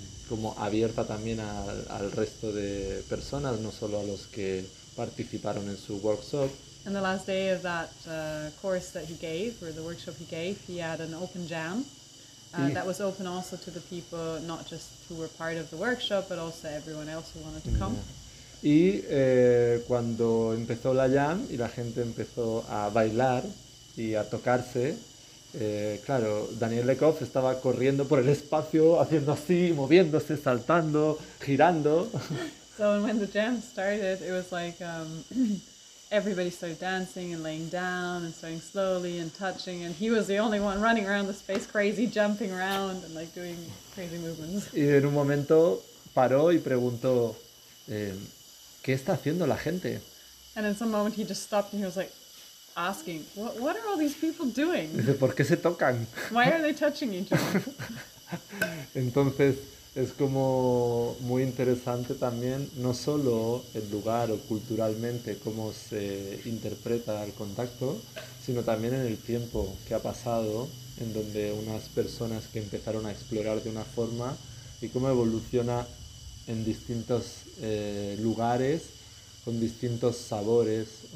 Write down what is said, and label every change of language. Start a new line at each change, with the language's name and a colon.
Spanish: Como abierta también al resto de personas, no solo a los que participaron en su workshop.
English: And the last day of that course that he gave, or the workshop he gave, he had an open jam that was open also to the people, not just who were part of the workshop, but also everyone else who wanted to come.
Spanish: Y cuando empezó la jam y la gente empezó a bailar y a tocarse, claro, Daniel Lecoq estaba corriendo por el espacio, haciendo así, moviéndose, saltando, girando.
English: So when the jam started, it was like everybody started dancing and laying down and starting slowly and touching, and he was the only one running around the space crazy, jumping around and like doing crazy movements.
Spanish: Y en un momento paró y preguntó, ¿qué está haciendo la gente?
English: And in some moment he just stopped and he was like, asking, what are all these people doing?
Spanish: Dice, ¿por qué se tocan?
English: Why are they touching each other?
Spanish: Entonces, es como muy interesante también, no solo el lugar o culturalmente, cómo se interpreta el contacto, sino también en el tiempo que ha pasado, en donde unas personas que empezaron a explorar de una forma, y cómo evoluciona en distintos lugares, con distintos sabores.